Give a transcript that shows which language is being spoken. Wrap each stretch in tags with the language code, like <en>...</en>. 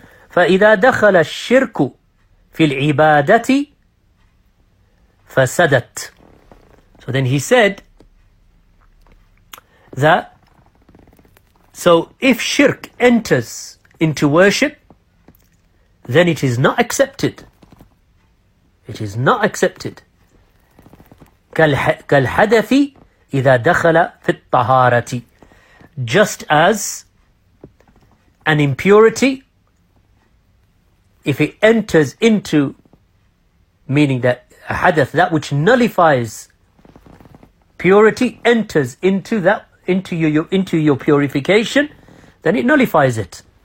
<ar>فإذا دخل الشرك في العبادة فسدت.</ar> <en>So then he said that, so if shirk enters into worship, then it is not accepted. It is not accepted.</en> <ar>كالحدثي إذا دخل في الطهارة.</ar> <en>Just as an impurity, if it enters into, meaning that a hadith, that which nullifies purity, enters into that, into your purification, then it nullifies it.</en>